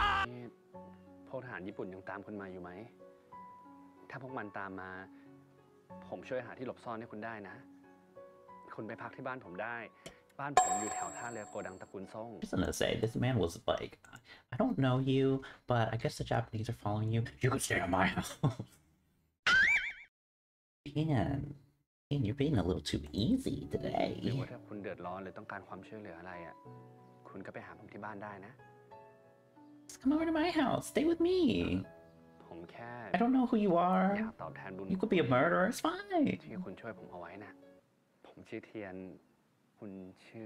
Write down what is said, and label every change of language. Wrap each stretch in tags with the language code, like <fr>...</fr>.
<th>นี่พวกทหารญี่ปุ่นยังตามคุณมาอยู่ไหมถ้าพวกมันตามมาผมช่วยหาที่หลบซ่อนให้คุณได้นะคุณไปพักที่บ้านผมได้บ้านผมอยู่แถวท่าเรือโกดังตระกูลซ่ง</th> <en>Just gonna say this man was like I don't know you but I guess the Japanese are following you You can stay at my house Ian And you're being a little too easy today.</en> <th>ไม่ว่าถ้าคุณเดือดร้อนหรือต้องการความช่วยเหลืออะไรอ่ะคุณก็ไปหาผมที่บ้านได้นะ</th> <en>Come over to my house. Stay with me.</en> <th>ผมแค่</th> <en>I don't know who you are.</en> <th>อยากตอบแทนบุญ</th> <en>You could be a murderer. It's fine.</en> <th>ที่คุณช่วยผมเอาไว้นะผมชื่อเทียนคุณชื</th>